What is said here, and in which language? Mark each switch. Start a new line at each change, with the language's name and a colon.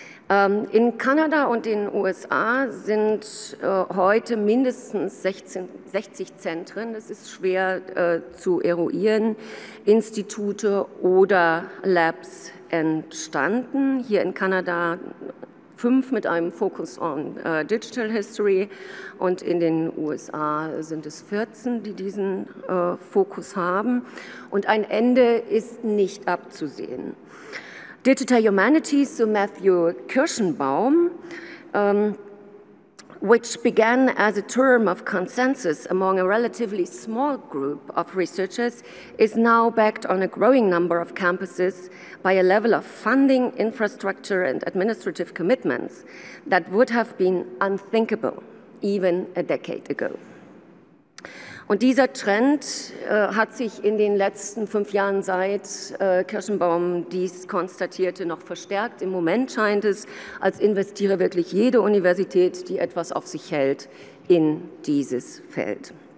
German: In Kanada und den USA sind heute mindestens 60 Zentren, das ist schwer zu eruieren, Institute oder Labs entstanden. Hier in Kanada 5 mit einem Focus on Digital History und in den USA sind es 14, die diesen Fokus haben. Und ein Ende ist nicht abzusehen.
English: Digital Humanities, so Matthew Kirschenbaum, which began as a term of consensus among a relatively small group of researchers, is now backed on a growing number of campuses by a level of funding, infrastructure, and administrative commitments that would have been unthinkable even a decade ago.
German: Und dieser Trend hat sich in den letzten 5 Jahren, seit Kirschenbaum dies konstatierte, noch verstärkt. Im Moment scheint es, als investiere wirklich jede Universität, die etwas auf sich hält, in dieses Feld.